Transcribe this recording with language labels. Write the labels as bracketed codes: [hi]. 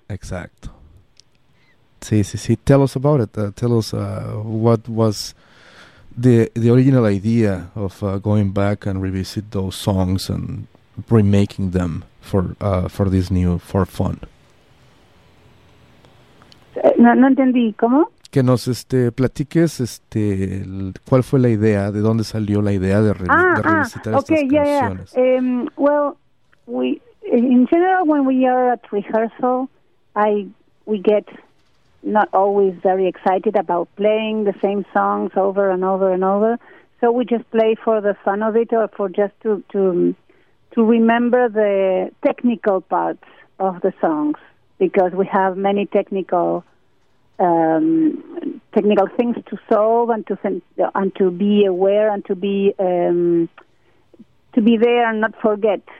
[es] Exacto. Sí. [en] Tell us about it. Tell us what was the original idea of going back and revisit those songs and remaking them for this new For Fun. [es] No entendí. ¿Cómo? Que nos platiques cuál fue la idea, de dónde salió la idea de revisitar estas canciones. [en] Yeah. In general, when we are at rehearsal, we get not always very excited about playing the same songs over and over and over. So we just play for the fun of it, or for just to remember the technical parts of the songs, because we have many technical things to solve and to be aware and to be there and not forget.